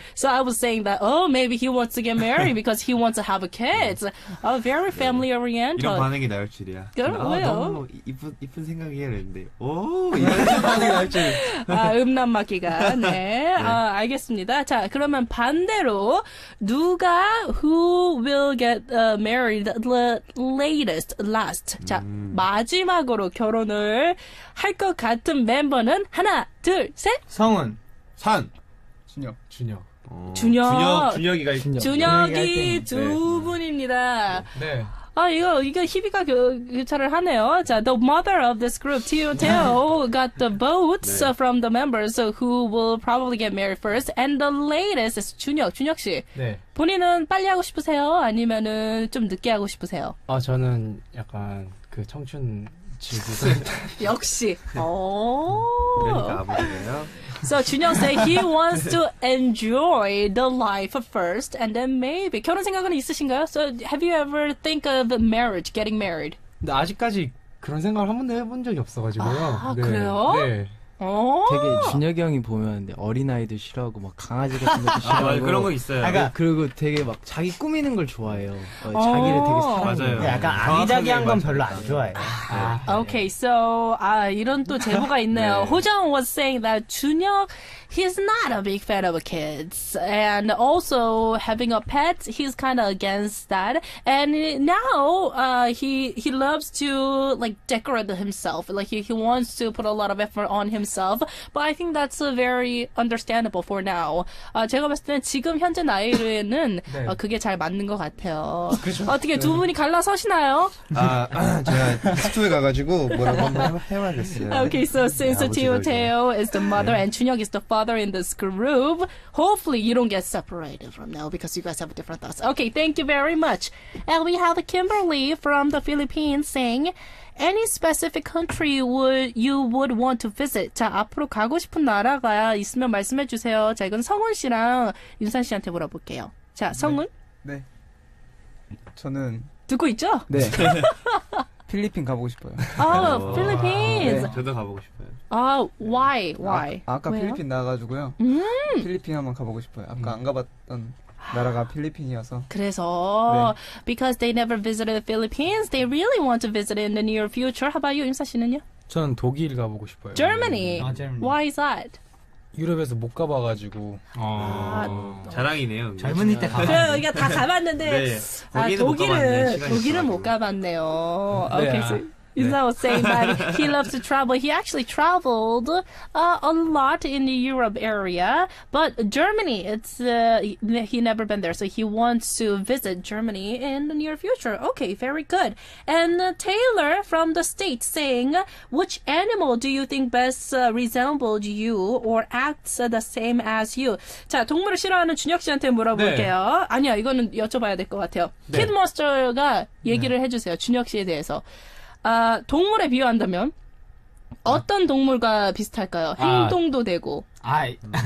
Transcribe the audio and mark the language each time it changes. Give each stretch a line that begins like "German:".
English: So I was saying that, oh, maybe he wants to get married because he wants to have kids. A very family oriented.
Korean: 이런 반응이 나올 줄이야. 그럼 왜요? 너무 이쁜 생각이 했는데, 오, 이런 반응이 나올 줄. 아, 음란마귀가. 네. 아, 알겠습니다. 자, 그러면 반대로 누가
English: who will get married the latest, last.
Korean: 자, 마지막으로 결혼을 할 것 같은 멤버는 하나, 둘, 셋. 성은, 산, 준혁. 준혁. 준혁이가 있군요. 준혁이 두 분입니다. 네. 아, 이거 희비가 교차를 하네요.
English: 자, the mother of this group, Tio Teo, got the votes 네. from the members who will probably get married first. And the latest is 준혁. 준혁 씨.
Korean: 네. 본인은 빨리 하고 싶으세요? 아니면은 좀 늦게 하고 싶으세요? 아, 저는 약간 그 청춘, 역시. 오. 그러니까
English: so, 준혁 said he wants to enjoy the life first and then maybe.
Korean: 결혼 생각은 있으신가요?
English: So, have you ever think of marriage, getting married?
Korean: 근데 아직까지 그런 생각을 한 번도 해본 적이 없어가지고요. 아, 네. 그래요? 네. 되게 준혁이 형이 보면 어린아이도 싫어하고 막 강아지 같은 것도 싫어하고 아, 그런 거 있어요. 그리고, 그러니까, 그리고 되게 막 자기 꾸미는 걸 좋아해요. 자기를 되게 사랑해요. 약간 아기자기한 건 별로 안 좋아해요. 아, 네.
English: Okay, so
Korean: 아, 이런 또 제보가 있네요. 네.
English: 호정 was saying that 준혁 he's not a big fan of kids and also having a pet he's kind of against that and now he loves to like decorate himself like he wants to put a lot of effort on himself but I think that's very understandable for now
Korean: 제가 봤을 때는 지금 현재 나이에는 네. 그게 잘 맞는 것 같아요 어떻게 두 분이 갈라서시나요? 아 제가 스튜디오에 가가지고 뭐라고 한번 해봐야겠어요
English: okay so since Tio Teo is the mother 네. and 준혁 is the father in this group. Hopefully you don't get separated from now because you guys have different thoughts. Okay, thank you very much. And we have Kimberly from the Philippines saying, any specific country you would want to visit?
Korean: 자, 앞으로 가고 싶은 나라가 있으면 말씀해 주세요. 자, 이건 성훈 씨랑 윤산 씨한테 물어볼게요. 자, 성훈? 네. 네. 저는 듣고 있죠? 네. 필리핀 가보고 싶어요. 아, 필리핀. 네. 저도 가보고 싶어요.
English: 아, why? Why?
Korean: 아까 필리핀 나가지고요. 필리핀 한번 가보고 싶어요. 아까 안 가봤던 나라가 필리핀이어서. 그래서 네.
English: because they never visited the Philippines, they really want to visit in the near future. How about you, 임사 씨는요?
Korean: 저는 독일 가보고 싶어요.
English: Germany. 아, Germany. Why is that?
Korean: 유럽에서 못 가봐가지고 아, 자랑이네요. 젊은이 때 가봤. 그러니까 다 가봤는데 네, 아, 독일은 못 가봤네요. 오케이. 네,
English: okay, so. Yuzhan was saying that he loves to travel. He actually traveled a lot in the Europe area. But Germany, it's he never been there. So he wants to visit Germany in the near future. Okay, very good. And Taylor from the States saying, which animal do you think best resembled you or acts the same as you?
Korean: 자, 동물을 싫어하는 준혁 씨한테 물어볼게요. 네. 아니야, 이거는 여쭤봐야 될 것 같아요. 네. Kid Monster가 얘기를 네. 해주세요. 준혁 씨에 대해서. 아, 동물에 비유한다면 어떤 동물과 비슷할까요? 행동도 아, 되고. 아이.